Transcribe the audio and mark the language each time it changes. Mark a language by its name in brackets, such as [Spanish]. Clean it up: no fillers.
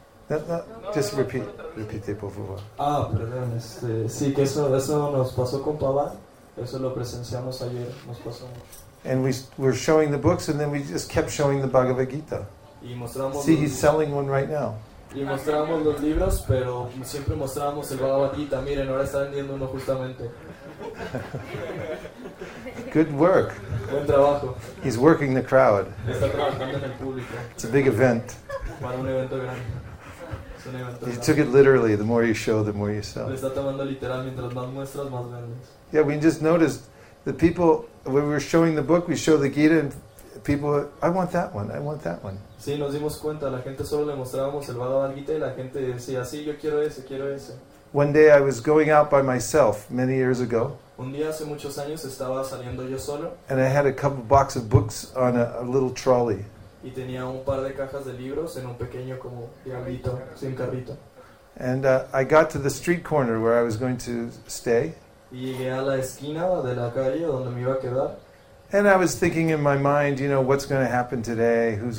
[English] No, just repeat. [Spanish] Repite, por favor. Ah, perdón. Sí, que eso nos pasó con Pavan. Eso lo presenciamos ayer. Nos pasó. [English] And we were showing the books, and then we just kept showing the Bhagavad Gita. [Spanish] Y mostramos. [English] See, he's selling one right now. [Spanish] Y mostramos los libros, pero siempre mostramos el Bhagavad Gita. Miren, ahora está vendiendo uno justamente. [English] Good work. [Spanish] Buen trabajo. [English] He's working the crowd. [Spanish] Está trabajando en el público. [English] It's a big event. [Spanish] Para un evento grande. [English] He took it literally. The more you show, the more you sell. [Spanish] Lo está tomando literal. Mientras más muestras, más vendes. [English] Yeah, we just noticed. The people, when we were showing the book, we show the Gita, and people, I want that one. [Spanish] Sí, nos dimos cuenta. La gente solo le mostrábamos el Bhagavad Gita, y la gente decía, sí, yo quiero ese, quiero ese. [English] One day I was going out by myself, many years ago. [Spanish] Un día hace muchos años estaba saliendo yo solo. [English] And I had a couple box of books on a little trolley. [Spanish] Y tenía un par de cajas de libros en un pequeño como diablito, sin carrito. [English] And I got to the street corner where I was going to stay. [Spanish] Y llegué a la esquina de la calle donde me iba a quedar. [English] And I was thinking in my mind, you know, what's going to happen today?